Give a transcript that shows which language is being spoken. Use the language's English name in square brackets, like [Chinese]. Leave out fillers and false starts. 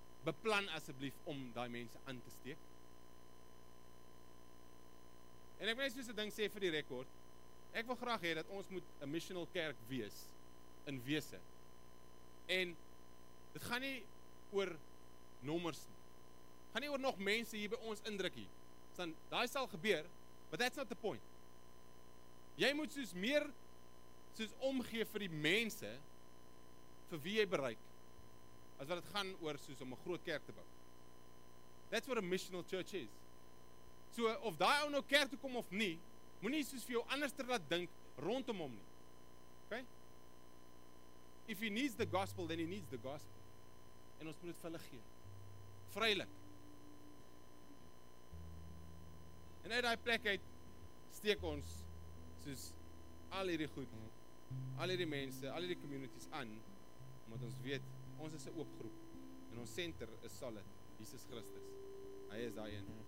[Afrikaans] Beplan asseblief om daai mense aan te steek. En ek wil net soos 'n ding sê vir die rekord. Ek wil graag hê dat ons moet 'n missional kerk wees in wese. En dit gaan nie oor nommers nie. Gaan nie oor nog mense hier by ons indruk hier. Dan daai sal gebeur, [English] but that's not the point. [Afrikaans] Jy moet soos meer soos omgee vir die mense vir wie jy bereik as wat dit gaan oor soos om 'n groot kerk te bou. [English] That's what a missional church is. [Afrikaans] So of daai ou nou kerk toe kom of nie, moenie soos vir jou anderster laat dink rondom hom nie. Okay? [English] If he needs the gospel, then he needs the gospel. [Afrikaans] En ons moet dit vir hulle gee. Vrylik. En uit daai plek uit steek ons soos al hierdie goed, al hierdie mense, al hierdie communities aan, omdat ons weet ons is 'n oop groep en ons center is solid Jesus Christus. Hy is daai een.